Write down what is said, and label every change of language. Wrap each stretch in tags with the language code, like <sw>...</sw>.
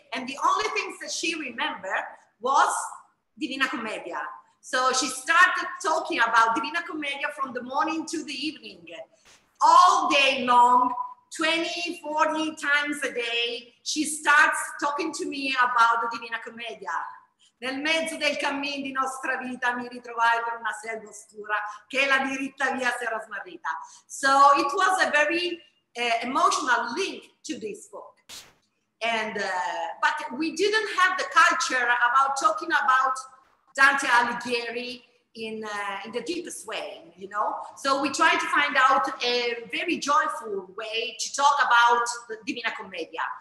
<en>And the only things that she remembered was Divina Commedia. So she started talking about Divina Commedia from the morning to the evening, all day long, 20, 40 times a day. She starts talking to me about the Divina Commedia.</en> <it>Nel mezzo del cammin di nostra vita mi ritrovai per una selva oscura che la diritta via si era smarrita.</it> <en>So it was a very emotional link to this book. And but we didn't have the culture about talking about Dante Alighieri in the deepest way, you know? So we tried to find out a very joyful way to talk about the Divina Commedia.</en>